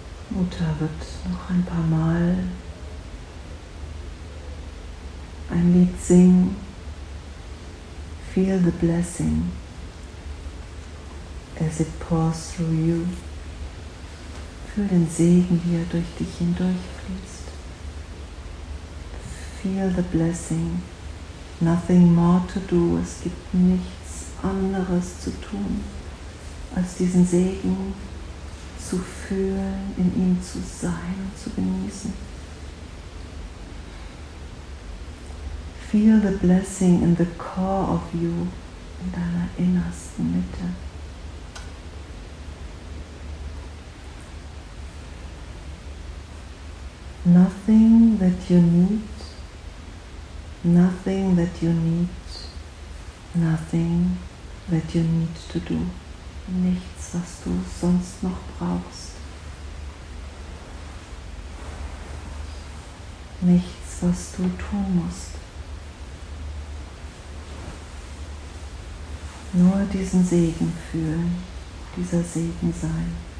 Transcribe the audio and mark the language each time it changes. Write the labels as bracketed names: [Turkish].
[German] Mutter wird noch ein paar Mal ein Lied singen, [English] Feel the blessing as it pours through you. [German] Fühl den Segen, wie er durch dich hindurchfließt. [English] Feel the blessing, nothing more to do. [German] Es gibt nichts anderes zu tun, als diesen Segen zu fühlen, in ihm zu sein und zu genießen. [English] Feel the blessing in the core of you, [German] in deiner innersten Mitte. [English] Nothing that you need, nothing that you need, nothing that you need to do. [German] Nichts, was du sonst noch brauchst. Nichts, was du tun musst. Nur diesen Segen fühlen, dieser Segen sein.